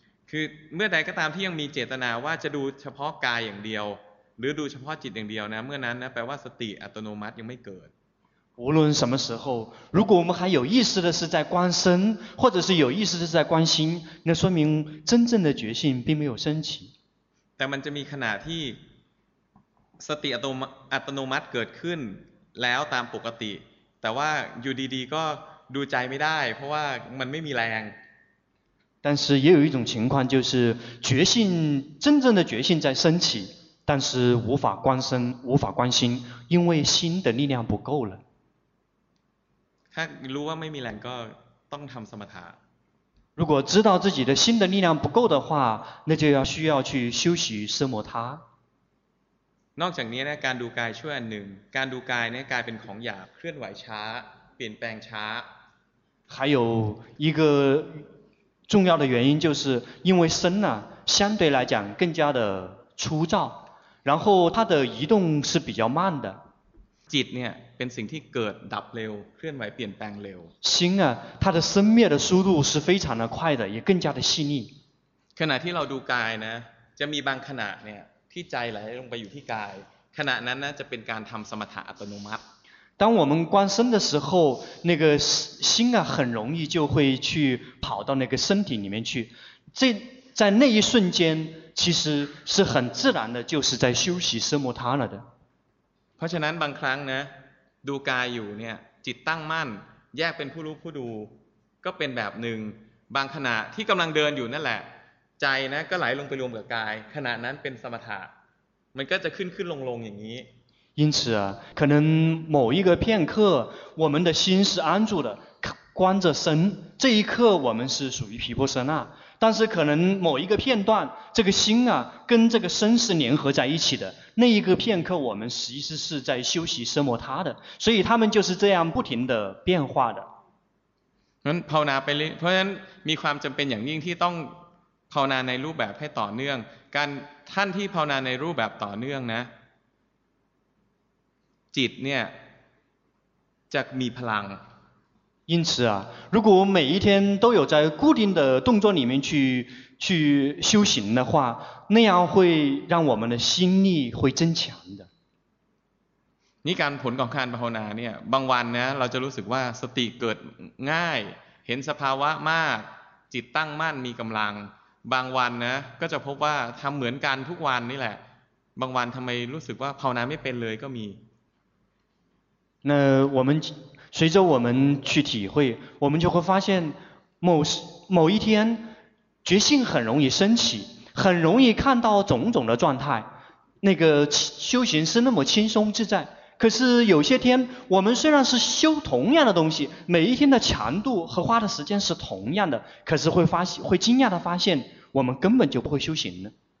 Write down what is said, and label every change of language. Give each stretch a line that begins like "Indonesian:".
Thai: คือเมื่อใดก็ตามที่ยังมีเจตนาว่าจะดูเฉพาะกายอย่างเดียวหรือดูเฉพาะจิตอย่างเดียวนะเมื่อนั้นนะแปลว่าสติอัตโนมัติยังไม่เกิด
Chinese: 无论什么时候如果我们还有意识的是在观身或者是有意识的是在观心那说明真正的觉性并没有升起
Thai: แต่มันจะมีขณะที่สติอัตโนมัติเกิดขึ้นแล้วตามปกติแต่ว่าอยู่ดีๆก็ดูใจไม่ได้เพราะว่ามันไม่มีแรง
Chinese: 但是也有一种情况就是觉性真正的觉性在升起但是无法观身无法观心因为心的力量不够了
Thai: ถ้ารู้ว่าไม่มีแรงก็ต้องทำสมถะ
Chinese: 如果知道自己的心的力量不够的话那就要需要去休息奢摩他
Thai: นอกจากนี้นะการดูกายช่วยอันหนึ่งการดูกายเนี่ยกลายเป็นของหยาบเคลื่อนไหวช้าเปลี่ยนแปลงช้า
Chinese: 还有一个重要的原因就是因为身呢相对来讲更加的粗糙然后它的移动是比较慢的
Thai: จิตเนี่ยเป็นสิ่งที่เกิดดับเร็วเคลื่อนไหวเปลี่ยนแปลงเร็ว
Chinese: 心啊它的生灭的速度是非常的快的也更加的细腻
Thai: ขณะที่เราดูกายนะจะมีบางขณะเนี่ยที่ใจไหลลงไปอยู่ที่กายขณะนั้นนะจะเป็นการทำสมถะอัตโนมัติ
Chinese: 当我们观身的时候那个心啊很容易就会去跑到那个身体里面去这在那一瞬间其实是很自然的就是在休息奢摩他了的
Thai: เพราะฉะนั้นบางครั้งนะดูกายอยู่เนี่ยจิตตั้งมั่นแยกเป็นผู้รู้ผู้ดูก็เป็นแบบหนึ่งบางขณะที่กำลังเดินอยู่นั่นแหละใจนะก็ไหลลงไปรวมกับกายขณะนั้นเป็นสมถะมันก็จะขึ้นขึ้นลงลงอย่างนี้
Chinese: 因此可能某一个片刻我们的心是安住的观着身这一刻我们是属于毗婆舍那但是可能某一个片段这个心啊跟这个身是联合在一起的那一个片刻我们实际是在休息奢摩他的所以他们就是这样不停的变化的
Thai: ภาวนาไปเพราะฉะนั้นมีความจำเป็นอย่างยิ่งที่ต้องภาวนาในรูปแบบให้ต่อเนื่องการท่านที่ภาวนาในรูปแบบต่อเนื่องนะจิตเนี่ยจะมีพลัง
Chinese: 因此啊，如果我每一天都有在固定的动作里面去修行的话，那样会让我们的心力会增强的。
Thai: นี่การผลของการภาวนาเนี่ยบางวันนะเราจะรู้สึกว่าสติเกิดง่ายเห็นสภาวะมากจิตตั้งมั่นมีกำลังบางวันนะก็จะพบว่าทำเหมือนกันทุกวันนี่แหละบางวันทำไมรู้สึกว่าภาวนาไม่เป็นเลยก็มี
Chinese: 那我们随着我们去体会，我们就会发现某一天觉性很容易升起，很容易看到种种的状态，那个修行是那么轻松自在。可是有些天，我们虽然是修同样的东西，每一天的强度和花的时间是同样的，可是会惊讶地发现，我们根本就不会修行呢。